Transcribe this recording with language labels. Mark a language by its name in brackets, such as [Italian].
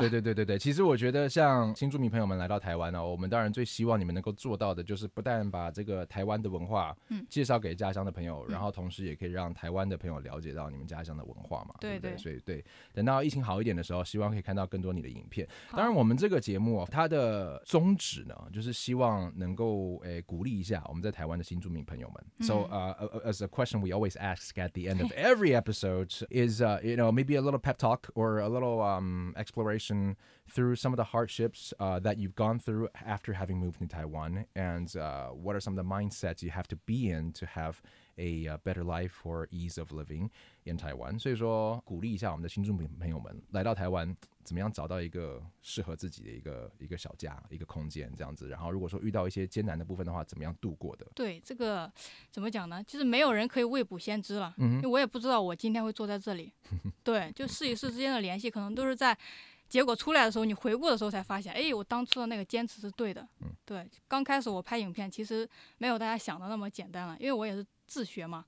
[Chinese] 对对对对对，其实我觉得像新住民朋友们来到台湾呢、我们当然最希望你们能够做到的就是不但把这个台湾的文化介绍给家乡的朋友、然后同时也可以让台湾的朋友了解到你们家乡的文化嘛。对对, 对，所以对，等到疫情好一点的时候，希望可以看到更多你的影片。当然，我们这个节目、它的宗旨呢，就是希望能够鼓励一下我们在台湾的新住民朋友们。 [English] So as a question we always ask at the end of every episode is you know, maybe a little pep talk or a little exploration through some of the hardships that you've gone through after having moved to Taiwan, and what are some of the mindsets you have to be in to have a better life or ease of living in Taiwan. [Chinese] 所以说鼓励一下我们的新住民朋友们来到台湾怎么样找到一个适合自己的一个小家一个空间这样子，然后如果说遇到一些艰难的部分的话怎么样度过的。对，这个怎么讲呢，就是没有人可以未卜先知了、因为我也不知道我今天会坐在这里对，就试一试之间的联系可能都是在结果出来的时候你回顾的时候才发现，哎，我当初的那个坚持是对的、对，刚开始我拍影片其实没有大家想的那么简单了，因为我也是自学嘛，